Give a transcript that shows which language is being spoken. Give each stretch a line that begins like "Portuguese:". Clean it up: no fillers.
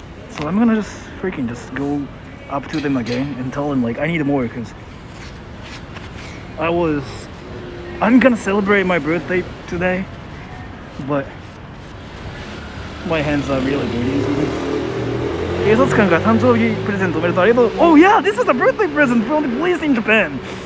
English: So I'm gonna just freaking just go up to them again and tell them, like, I need more, because I'm gonna celebrate my birthday today, but my hands are really dirty.
Japanese: 警察官が誕生日プレゼントおめでとう、ありがとう。
English: Oh yeah, this is a birthday present from the police in Japan.